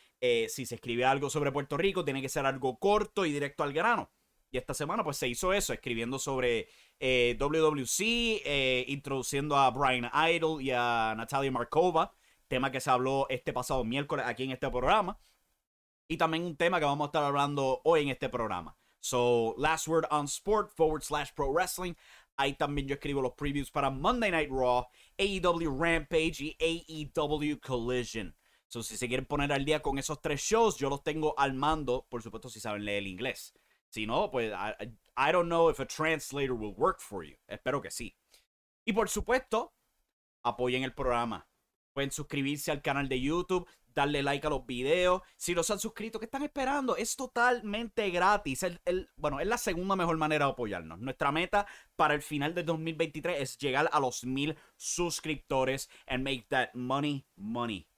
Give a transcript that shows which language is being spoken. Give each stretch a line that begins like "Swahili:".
Spanish: Si se escribe algo sobre Puerto Rico, tiene que ser algo corto y directo al grano. Y esta semana pues se hizo eso, escribiendo sobre WWC, introduciendo a Brian Idol y a Natalia Markova, tema que se habló este pasado miércoles aquí en este programa, y también un tema que vamos a estar hablando hoy en este programa.
English: Last Word on Sport /pro wrestling.
Spanish: Ahí también yo escribo los previews para Monday Night Raw, AEW Rampage y AEW Collision. Si se quieren poner al día con esos 3 shows, yo los tengo al mando, por supuesto, si saben leer el inglés. Si no, pues
English: I don't know if a translator will work for you.
Spanish: Espero que sí. Y por supuesto, apoyen el programa. Pueden suscribirse al canal de YouTube. darle like a los videos. Si no se han suscrito, ¿qué están esperando? Es totalmente gratis. Bueno, es la segunda mejor manera de apoyarnos. Nuestra meta para el final de 2023 es llegar a los 1,000 suscriptores
English: and make that money, money.